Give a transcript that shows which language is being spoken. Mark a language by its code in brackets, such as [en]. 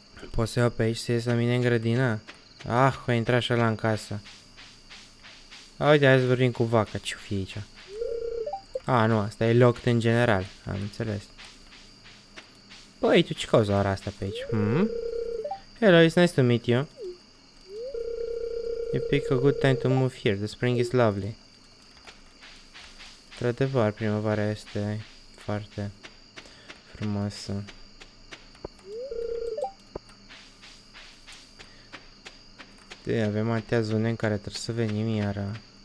[ro] Poți să iau pe aici să ies la mine în grădină? Ah, a intrat și ăla în casă. A, uite, hai să vorbim cu vaca, ce fi aici. A, nu, asta e locked în general, am înțeles. Băi, tu ce cauza ora asta pe aici? [en] Hello, it's nice to meet you. You pick a good time to move here, the spring is lovely. [ro] Într-adevăr, primăvara este foarte frumoasă. De, avem atâtea zone în care trebuie să venim iară.